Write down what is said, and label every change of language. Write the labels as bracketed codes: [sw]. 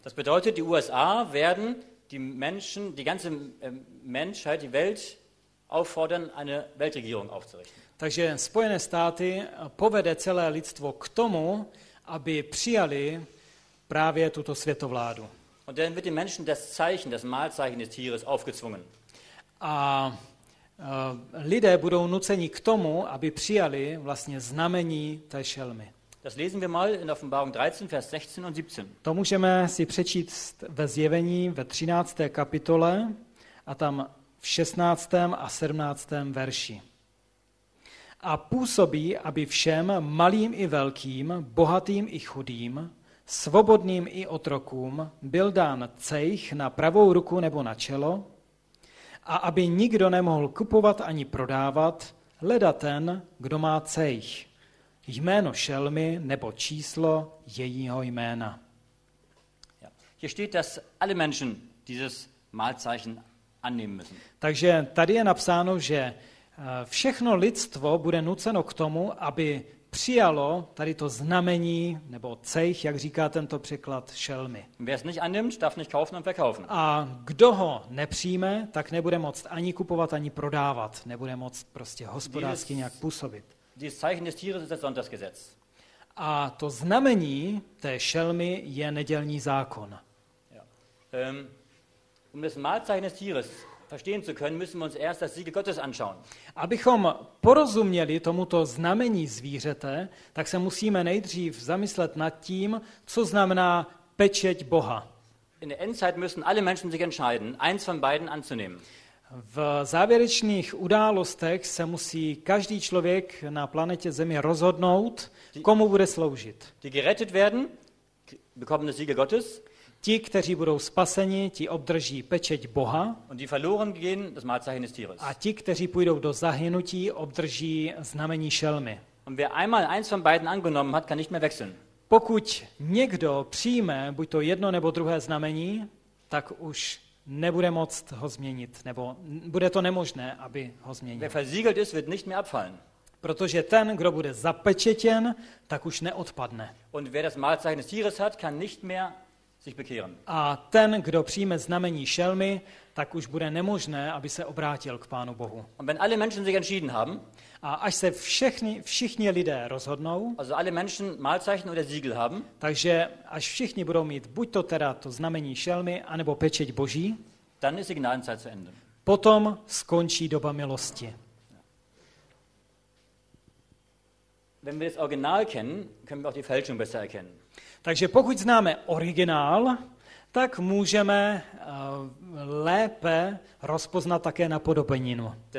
[de] Das bedeutet, die USA werden die Menschen, die ganze Menschheit, die Welt auffordern, eine Weltregierung aufzurichten. [cs] Takže Spojené státy povede celé lidstvo k tomu, aby přijali právě tuto světovládu. [de] Und dann wird den Menschen das Zeichen, das Mahlzeichen des Tieres aufgezwungen. [cs] A lidé budou nuceni k tomu, aby přijali vlastně znamení té šelmy. [de] Das lesen wir mal in Offenbarung 13, Vers 16 und 17. [cs] To můžeme si přečíst ve Zjevení ve 13. kapitole a tam v 16. a 17. verši. A působí, aby všem malým i velkým, bohatým i chudým, svobodným i otrokům byl dán cejch na pravou ruku nebo na čelo a aby nikdo nemohl kupovat ani prodávat, leda ten, kdo má cejch. Jméno šelmy nebo číslo jejího jména. [de] Ja. Hier steht, dass alle Menschen dieses Malzeichen annehmen müssen. [cs] Takže tady je napsáno, že všechno lidstvo bude nuceno k tomu, aby přijalo tady to znamení nebo cejch, jak říká tento překlad šelmy. [de] Wer es nicht annimmt, darf nicht kaufen und verkaufen. [cs] A kdo ho nepřijme, tak nebude moct ani kupovat, ani prodávat, nebude moct prostě hospodářsky nějak působit. [de] Dieses Zeichen des Tieres ist das Sonntagsgesetz. [cs] A to znamení té šelmy je nedělní zákon. [de] Ja. Um das Malzeichen des Tieres verstehen zu können, müssen wir uns erst das Siegel Gottes anschauen. [cs] Abychom porozuměli tomuto znamení zvířete, tak se musíme nejdřív zamyslet nad tím, co znamená pečeť Boha. [de] In der Endzeit müssen alle Menschen sich entscheiden, eins von beiden anzunehmen. [cs] V závěrečných událostech se musí každý člověk na planetě Zemi rozhodnout, komu bude sloužit. [de] Die gerettet werden, bekommen das Siegel Gottes. [cs] Ti, kteří budou spaseni, ti obdrží pečeť Boha. [de] Und die verloren gehen, das Malzeichen des Tieres. [cs] A ti, kteří půjdou do zahynutí, obdrží znamení šelmy. [de] Und wer einmal eins von beiden angenommen hat, kann nicht mehr wechseln. [cs] Pokud někdo přijme buď to jedno nebo druhé znamení, tak už nebude moct ho změnit, nebo bude to nemožné, aby ho změnil. [de] Wer versiegelt ist, wird nicht mehr abfallen. [cs] Protože ten, kdo bude zapečetěn, tak už neodpadne. [de] Und wer das Malzeichen des Tieres hat, kann nicht mehr sich bekehren. [cs] A ten, kdo přijme znamení šelmy, tak už bude nemožné, aby se obrátil k Pánu Bohu. [de] Und wenn alle Menschen sich entschieden haben, [cs] a až se všichni lidé rozhodnou, [de] also alle Menschen Malzeichen oder Siegel haben, [cs] takže až všichni budou mít buď to teda to znamení šelmy, anebo pečeť Boží, [de] dann ist die Gnadenzeit zu Ende. [cs] Potom skončí doba milosti. [de] Wenn wir das Original kennen, können wir auch die Fälschung besser erkennen. [cs] Takže pokud známe originál, tak můžeme lépe rozpoznat také napodobeninu.